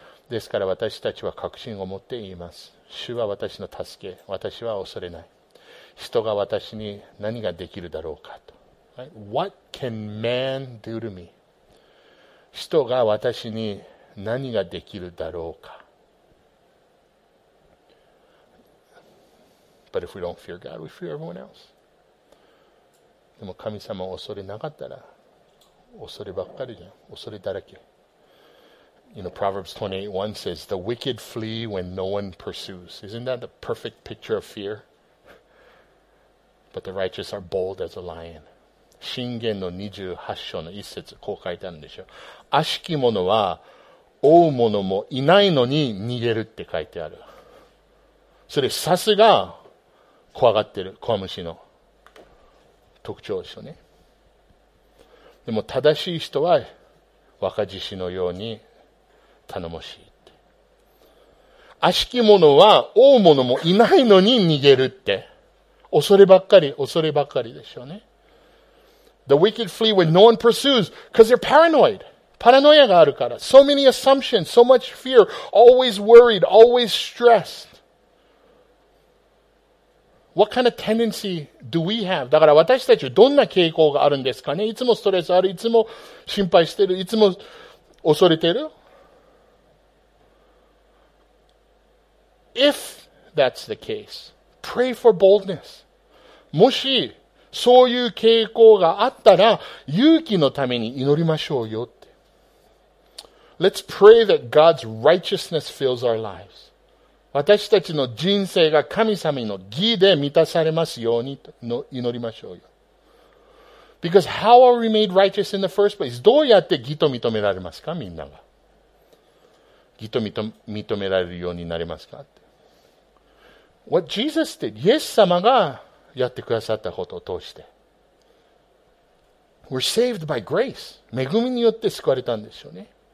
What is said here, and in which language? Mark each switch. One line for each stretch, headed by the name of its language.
Japanese: ですから私たちは確信を持って言います。主は私の助け、私は恐れない。人が私に何ができるだろうかと。
English: What can man do to me?
Japanese: 人が私に何ができるだろうか。
English: But if we don't fear God, we fear everyone else.
Japanese: でも神様を恐れなかったら、恐ればっかりじゃん。恐れだらけ。
English: You know, Proverbs 28:1 says, The wicked flee when no one pursues. Isn't that the perfect picture of fear? But the righteous are bold as a lion.
Japanese: 箴言の28章の1節、こう書いてあるんでしょ。悪しき者は、追う者もいないのに逃げるって書いてある。それさすが、怖がってる、コアムシの特徴ですよね。でも正しい人は若獅子のように頼もしいって。悪しき者は追う者もいないのに逃げるって。恐ればっかり、恐ればっかりでしょうね。
English: The wicked flee when no one pursues, because they're paranoid.
Japanese: パラノイアがあるから。
English: So many assumptions, so much fear, always worried, always stressed. What kind of tendency do we have?
Japanese: だから私たちはどんな傾向があるんですかね?いつもストレスある?いつも心配してる? いつも恐れてる?
English: If that's the case, pray for boldness.
Japanese: もしそういう傾向があったら勇気のために祈りましょうよって。
English: Let's pray that God's righteousness fills our lives.
Japanese: 私たちの人生が神様の義で満たされますようにと祈りましょうよ。
English: Because how are we made righteous in the first place?
Japanese: どうやって義と認められますかみんなが。義と認められるようになれますかって。
English: What Jesus did,
Japanese: イエス様がやってくださったことを通して。
English: We're saved by grace.
Japanese: 恵みによって救われたんですよね。